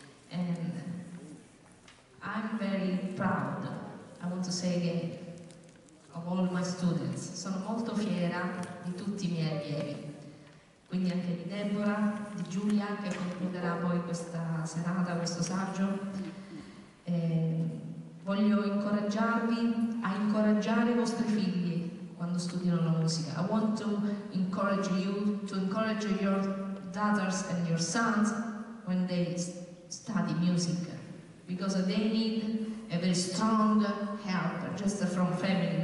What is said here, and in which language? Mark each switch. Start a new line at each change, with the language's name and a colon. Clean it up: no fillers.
English: And I'm very proud, I want to say again, of all my students.
Italian: Sono molto fiera di tutti i miei allievi. Quindi anche di Deborah, di Giulia, che concluderà poi questa serata, questo saggio. E voglio incoraggiarvi a incoraggiare i vostri figli quando studiano la musica.
English: I want to encourage you to encourage your daughters and your sons when they study music, because they need a very strong help just from family.